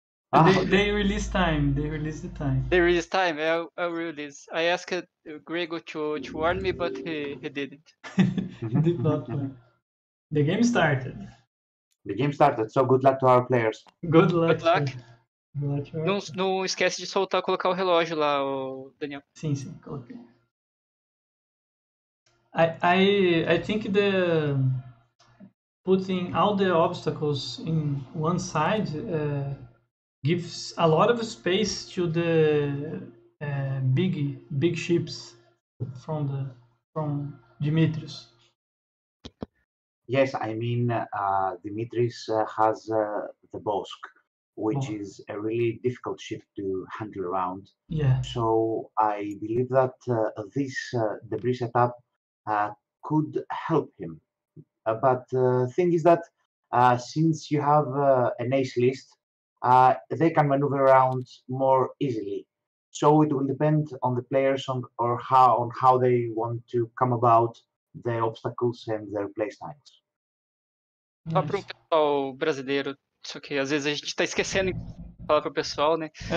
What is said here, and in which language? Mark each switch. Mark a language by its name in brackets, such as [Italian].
[English] They release time. They release the time. There is time. I'll release. I asked Grego to warn me, but he didn't. He did not plan. The game started. The game started, so good luck to our players. Good luck. Good luck. [Portuguese] Não esquece de soltar, colocar o relógio lá, o Daniel. Sim, sim, coloquei. [English] I think the putting all the obstacles in one side gives a lot of space to the big ships from Dimitrios. Yes, I mean Dimitris has the Bosk, which is a really difficult ship to handle around. Yeah. So I believe that this debris setup could help him. But the thing is that since you have an ace list, they can maneuver around more easily. So it will depend on the players on how they want to come about the obstacles and their playstyles. [Portuguese] Só para o pessoal brasileiro, só que às vezes a gente está esquecendo de falar para o pessoal, né?